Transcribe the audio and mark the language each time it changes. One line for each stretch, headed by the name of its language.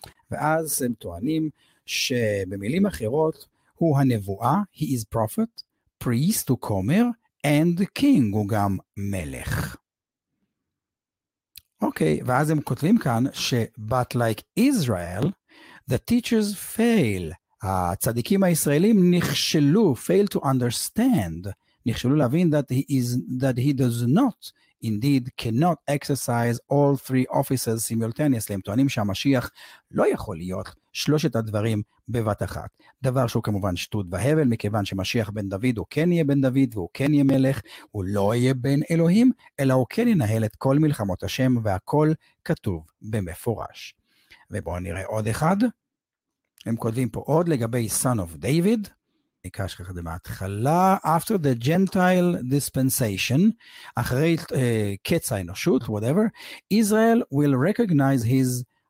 Hebrew: ואז הם טוענים שבמילים אחרות הוא הנבואה,
English: he is prophet, priest,
Hebrew: הוא כומר,
English: and king,
Hebrew: הוא גם מלך. אוקיי, ואז הם כותבים כאן ש,
English: but like Israel, the teachers fail.
Hebrew: הצדיקים הישראלים נכשלו,
English: fail to understand,
Hebrew: נכשלו להבין
English: that he does not, indeed, cannot exercise all three offices simultaneously.
Hebrew: הם טוענים שהמשיח לא יכול להיות שלושת הדברים בבת אחת. דבר שהוא כמובן שטות והבל, מכיוון שמשיח בן דוד הוא כן יהיה בן דוד, והוא כן יהיה מלך, הוא לא יהיה בן אלוהים, אלא הוא כן ינהל את כל מלחמות השם, והכל כתוב במפורש. ובואו נראה עוד אחד. הם כותבים פה עוד לגבי Son of David, נקרא שככה זה מההתחלה,
English: after the Gentile dispensation,
Hebrew: אחרי קץ האנושות,
English: whatever, Israel will recognize his